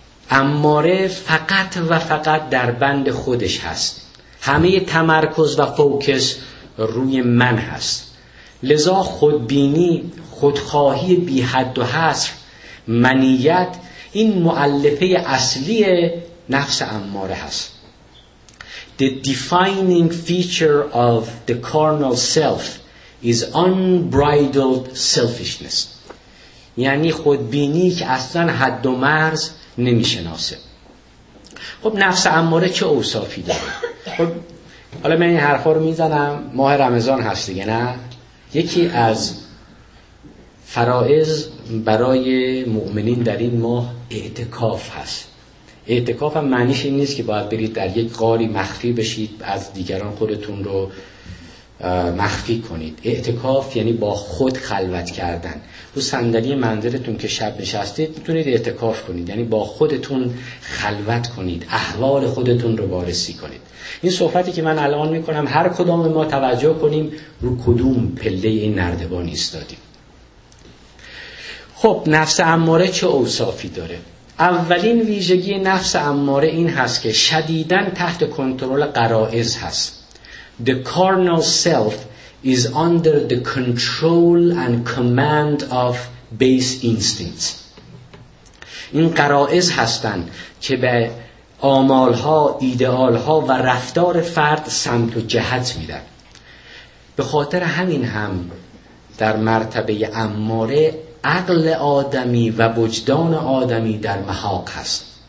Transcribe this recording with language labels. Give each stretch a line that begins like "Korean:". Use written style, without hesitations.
Persian: اماره فقط و فقط در بند خودش هست. همه تمرکز و فوکس روی من هست. لذا خودبینی، خودخواهی بی حد و حصر، منیت، این مؤلفه اصلی نفس اماره هست.
English: The defining feature of the carnal self is unbridled selfishness.
Persian: یعنی خودبینی که اصلا حد و مرز نمیشناسه. خب نفس اماره چه اوصافی داره؟ خب حالا من این حرفا رو میزنم، ماه رمضان هست دیگه، نه؟ یکی از فرائض برای مؤمنین در این ماه اعتکاف هست. اعتکاف هم معنیش این نیست که باید برید در یک غاری مخفی بشید، از دیگران خودتون رو مخفی کنید. اعتکاف یعنی با خود خلوت کردن. رو صندلی منزلتون که شب نشستید میتونید اعتکاف کنید، یعنی با خودتون خلوت کنید، احوال خودتون رو بررسی کنید. این صحبتی که من الان میکنم، هر کدام ما توجه کنیم رو کدوم پله این نردبان ایستادیم. خب نفس اماره چه اوصافی داره؟ اولین ویژگی نفس اماره این هست که شدیداً تحت کنترل غرایز هست.
English: The carnal self is under the control and command of base instincts.
Persian: این قرائز هستند که به آمالها، ایدئالها و رفتار فرد سمت و جهت میدن. به خاطر همین هم در مرتبه اماره عقل آدمی و وجدان آدمی در محاق هست.